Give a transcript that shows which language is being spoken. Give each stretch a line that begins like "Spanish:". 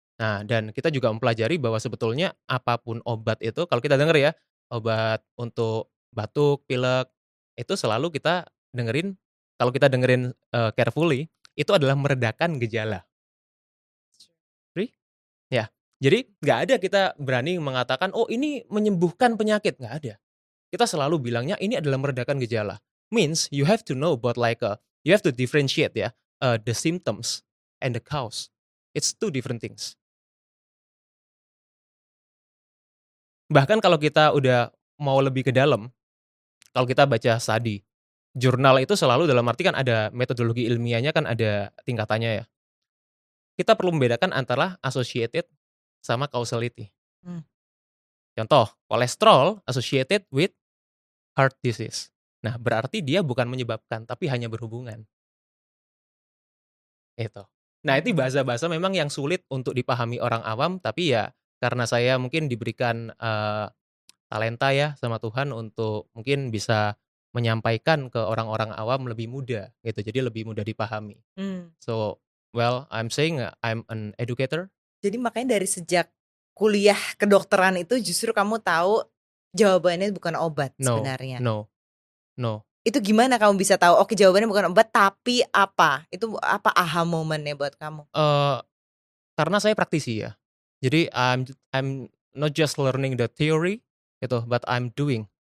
Indonesian: Nah dan kita juga mempelajari bahwa sebetulnya apapun obat itu kalau kita dengar ya obat untuk batuk pilek itu selalu kita dengerin kalau kita dengerin carefully itu adalah meredakan gejala. Ya, jadi nggak ada kita berani mengatakan oh ini menyembuhkan penyakit, nggak ada. Kita selalu bilangnya ini adalah meredakan gejala.
English: Means you have to know about like you have to differentiate ya the symptoms and the cause. It's two different things.
Indonesian: Bahkan kalau kita udah mau lebih ke dalam, kalau kita baca study, jurnal itu selalu dalam arti kan ada metodologi ilmiahnya kan ada tingkatannya ya. Kita perlu membedakan antara associated sama causality. Contoh, kolesterol
English: associated with heart disease.
Indonesian: Nah, berarti dia bukan menyebabkan, tapi hanya berhubungan. Itu. Nah, itu bahasa-bahasa memang yang sulit untuk dipahami orang awam, tapi ya karena saya mungkin diberikan talenta ya sama Tuhan untuk mungkin bisa menyampaikan ke orang-orang awam lebih mudah, gitu. Jadi lebih mudah dipahami.
English: So, well, I'm saying I'm an educator.
Indonesian: Jadi makanya dari sejak kuliah kedokteran itu justru kamu tahu jawabannya bukan obat sebenarnya.
English: No.
Indonesian: Itu gimana kamu bisa tahu? Oke, jawabannya bukan obat, tapi apa? Itu apa aha momennya buat kamu? Karena saya praktisi ya.
English: Jadi I'm not just learning the theory, gitu, but I'm doing.